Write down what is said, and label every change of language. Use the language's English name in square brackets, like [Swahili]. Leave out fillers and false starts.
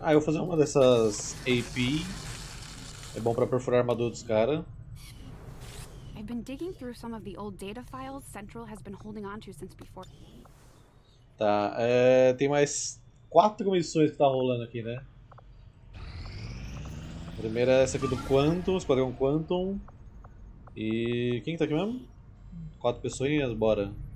[Portuguese] Ah, eu vou fazer uma dessas AP. É bom para perfurar a armadura dos caras. [English] I've been digging through some of the old data files Central has been holding on to since before. [Portuguese] Tá, é, tem mais quatro missões que tá rolando aqui, né? A primeira é essa aqui do Quantum, Esquadrão Quantum. E quem que tá aqui mesmo? Quatro pessoinhas, bora.